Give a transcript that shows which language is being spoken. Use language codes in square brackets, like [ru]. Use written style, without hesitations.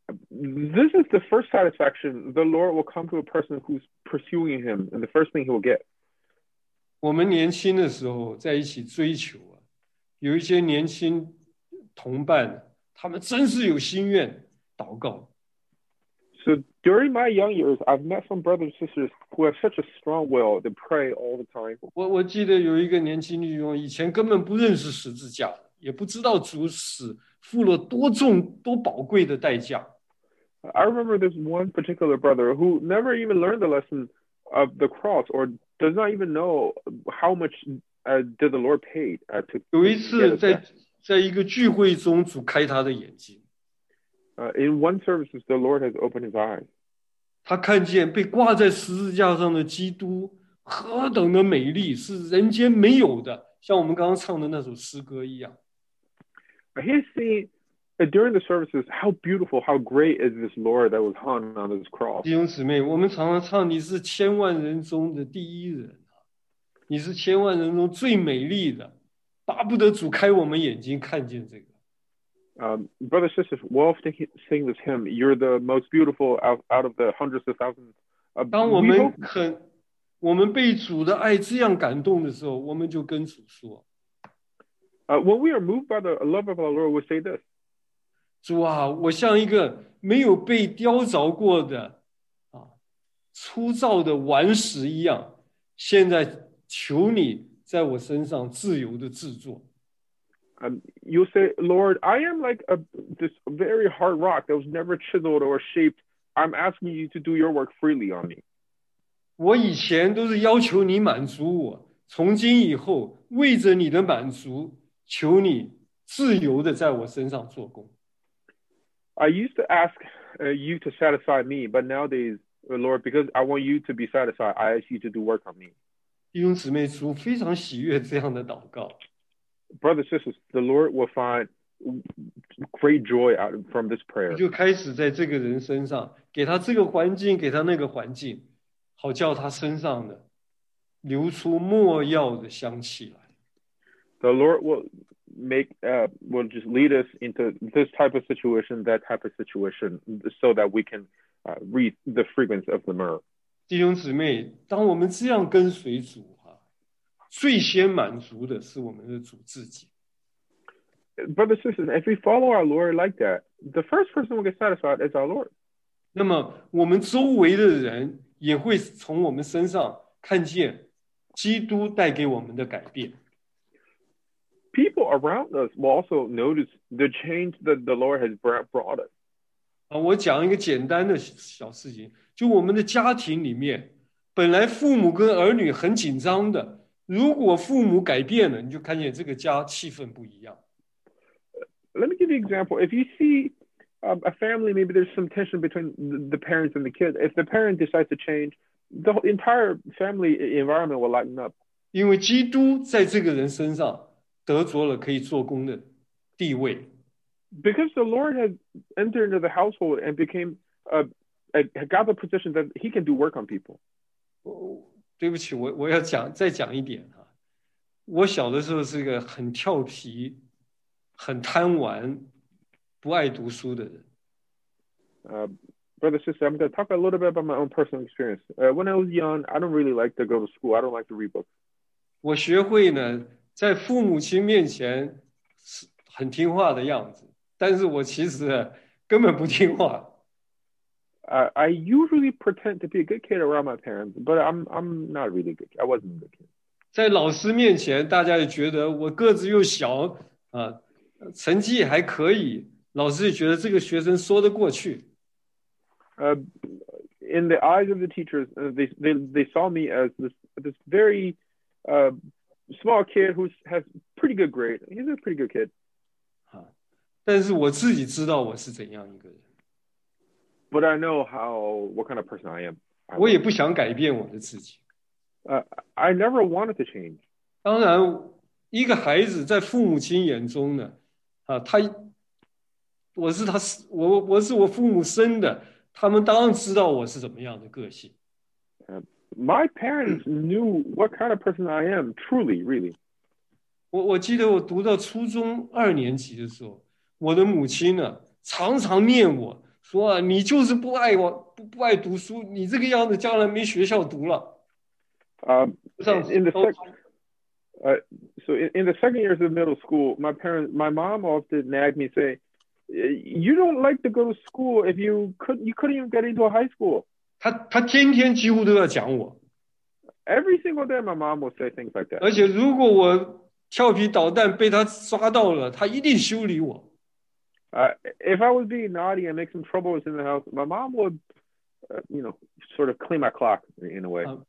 [en] This is the first satisfaction the Lord will come to a person who's pursuing Him, and the first thing He will get. [zh] 我们年轻的时候在一起追求啊，有一些年轻同伴，他们真是有心愿祷告。 [en] So during my young years, I've met some brothers and sisters who have such a strong will to pray all the time. [zh] 我记得有一个年轻弟兄，以前根本不认识十字架，也不知道主死付了多重、多宝贵的代价。 [en] I remember this one particular brother who never even learned the lesson of the cross or does not even know how much did the Lord pay to get it. [zh] 有一次在一个聚会中，主开他的眼睛。 [en] In one service, the Lord has opened his eyes. [zh] 他看见被挂在十字架上的基督何等的美丽，是人间没有的，像我们刚刚唱的那首诗歌一样。 [en] He has seen, during the services, how beautiful, how great is this Lord that was hung on this cross. [zh] 弟兄姊妹，我们常常唱你是千万人中的第一人，你是千万人中最美丽的，巴不得主开我们眼睛看见这个。 [en] Brothers and sisters, we often sing this hymn. You're the most beautiful out of the hundreds of thousands. [zh] 当我们很，我们被主的爱这样感动的时候，我们就跟主说。 [en] When we are moved by the love of our Lord, we say this. [zh] 主啊，我像一个没有被雕凿过的，啊，粗糙的顽石一样，现在求你在我身上自由的制作。 [en] You say, Lord, I am like this very hard rock that was never chiseled or shaped. I'm asking you to do your work freely on me. [zh] 我以前都是要求你满足我，从今以后为着你的满足，求你自由的在我身上做工。 [en] I used to ask you to satisfy me, but nowadays, Lord, because I want you to be satisfied, I ask you to do work on me. [zh] 弟兄姊妹，主非常喜悦这样的祷告。 [en] Brothers and sisters, the Lord will find great joy out from this prayer. [zh] 就开始在这个人身上，给他这个环境，给他那个环境，好叫他身上的流出末药的香气来。 [en] The Lord will make will just lead us into this type of situation, that type of situation, so that we can reap the fragrance of the myrrh. [zh] 弟兄姊妹，当我们这样跟随主。最先满足的是我们的主自己。 [en] Brothers and sisters, if we follow our Lord like that, the first person who gets satisfied is our Lord. [zh] 那么我们周围的人也会从我们身上看见基督带给我们的改变。 [en] People around us will also notice the change that the Lord has brought us. [zh] 我讲一个简单的小事情，就我们的家庭里面，本来父母跟儿女很紧张的。如果父母改变了，你就看见这个家气氛不一样。 [en] Let me give you an example. If you see a family, maybe there's some tension between the parents and the kids. If the parent decides to change, the entire family environment will lighten up. [zh] 因为基督在这个人身上得着了可以做工的地位。 [en] Because the Lord has entered into the household and became got the position that he can do work on people. [zh] 对不起，我要讲再讲一点啊。我小的时候是个很调皮、很贪玩、不爱读书的人。 [en] Brother, sister, I'm going to talk a little bit about my own personal experience. When I was young, I don't really like to go to school. I don't like to read books. [zh] 我学会呢，在父母亲面前是很听话的样子，但是我其实根本不听话。 [en] I usually pretend to be a good kid around my parents, but I'm not really good. I wasn't a good kid. [zh] 在老师面前，大家也觉得我个子又小，啊，成绩还可以，老师也觉得这个学生说得过去。 [en] In the eyes of the teachers, they saw me as this very small kid who has pretty good grade. He's a pretty good kid. [zh] 啊，但是我自己知道我是怎样一个人。 [en] But I know what kind of person I am. [zh] 我也不想改变我的自己。 [en] I never wanted to change. [zh] 当然，一个孩子在父母亲眼中呢，啊，我是我父母生的，他们当然知道我是怎么样的个性。 [en] My parents knew what kind of person I am, truly, really. [zh] 我记得我读到初中二年级的时候，我的母亲呢，常常念我。说啊，你就是不爱我，不爱读书，你这个样子将来没学校读了。 [en] In the second, So in the second years of middle school, my mom often nagged me, say, "You don't like to go to school if you couldn't even get into a high school." [zh] 她天天几乎都要讲我。 [en] Every single day, my mom will say things like that. [zh] 而且如果我调皮捣蛋被她抓到了，她一定修理我。 [en] If I was being naughty and make some troubles in the house, my mom would, sort of clean my clock in a way.